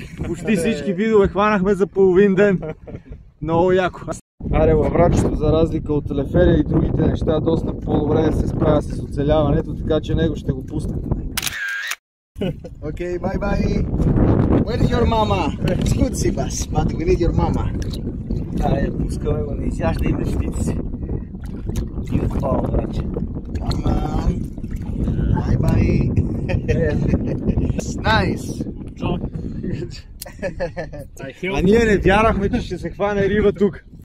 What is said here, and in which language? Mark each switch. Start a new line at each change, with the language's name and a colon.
Bulgarian: Почти всички видове хванахме за половин ден. Много яко. Аре, лаврачето, за разлика от леферия и другите неща, доста по-добре да се справя с оцеляването, така че него ще го пуснем.
English: Окей, бай-бай! Where is your mama? It's good, Sibas, but we need your mama.
Bulgarian: Аре, пускаме го, не изяжда и мечтите си.
English: Beautiful,
Bulgarian: лаврачи.
English: Come on! Бай-бай! It's nice!
Bulgarian: А ние не вярахме, че ще се хване риба тук.